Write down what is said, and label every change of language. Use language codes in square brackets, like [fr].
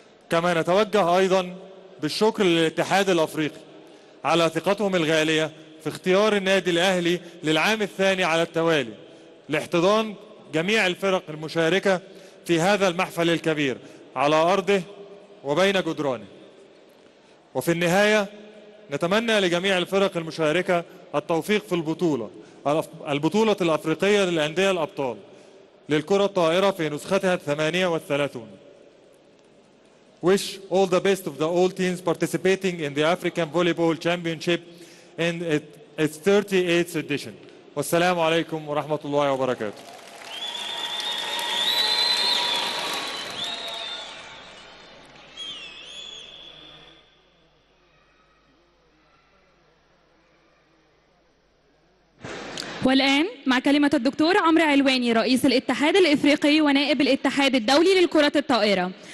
[ar] كما نتوجه ايضا بالشكر للاتحاد الافريقي على ثقتهم الغاليه في اختيار النادي الاهلي للعام الثاني على التوالي لاحتضان جميع الفرق المشاركة في هذا المحفل الكبير على أرضه وبين جدرانه. وفي النهاية نتمنى لجميع الفرق المشاركة التوفيق في البطولة الأفريقية للأندية الأبطال للكرة الطائرة في نسختها 38. [en] Wish all the best of the all teams participating in the African Volleyball Championship in its 38th edition. [ar] والسلام عليكم ورحمة الله وبركاته. والآن مع كلمة الدكتور عمرو علواني رئيس الاتحاد الإفريقي ونائب الاتحاد الدولي للكرة الطائرة.